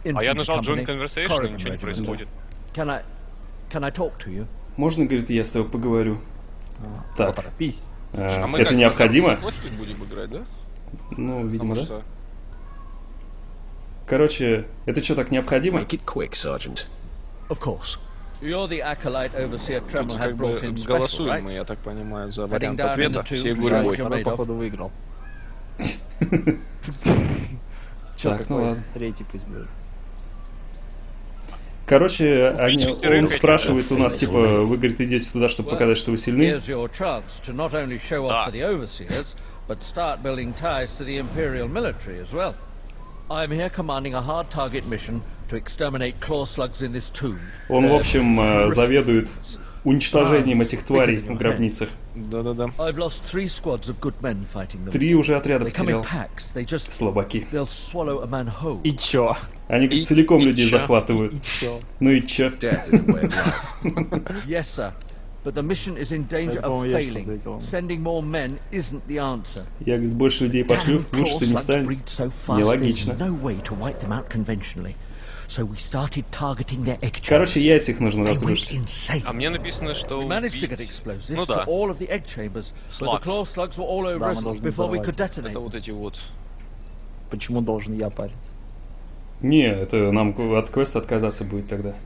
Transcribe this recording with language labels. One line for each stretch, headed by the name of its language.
Russian: А я нажал Джойн конверсейшн, и ничего не происходит.
English: Can I talk to you?
Russian: Можно, говорит, я с тобой поговорю? Так. Поторопись. Это необходимо? А мы как-то заплатить будем играть, да? Ну, видимо, да. Короче, это что, так необходимо?
English: Make it quick, Sergeant. Of course. You're the acolyte overseer Tremel had brought in special, right?
Russian: Голосуем мы, я так понимаю, за вариант ответа всей группой. Она, походу, выиграл. Че, так, ну ладно. Третий пусть будет. Короче, он спрашивает у нас, типа, вы, говорит, идете туда, чтобы показать, что вы сильны.
English: Here's your chance to not only show off for the overseers, but start building ties to the Imperial military as well. I'm here commanding a hard target mission to exterminate claw slugs in this tomb.
Russian: Он, в общем, заведует уничтожением этих тварей в гробницах. Да-да-да.
English: I've lost three squads of good men fighting them.
Russian: Три уже отряда потерял.
English: They just...
Russian: Слабаки.
English: They'll swallow a man whole.
Russian: И чё? Они как целиком людей чё? Захватывают. И чё? Ну и чё?
English: Yes, sir. But the mission is in danger of failing. Sending more men isn't the answer.
Russian: Я говорит, больше людей пошлю, лучше ты не станет. Нелогично.
English: No way to wipe them out conventionally. So we started targeting their egg chambers.
Russian: Короче, яйца их нужно разрушить. А мне написано, что
English: we managed to get explosives to all of the egg chambers, but the claw slugs were all over us before we could detonate.
Russian: Это вот эти вот. Почему должен я париться? Не, это нам от квеста отказаться будет тогда.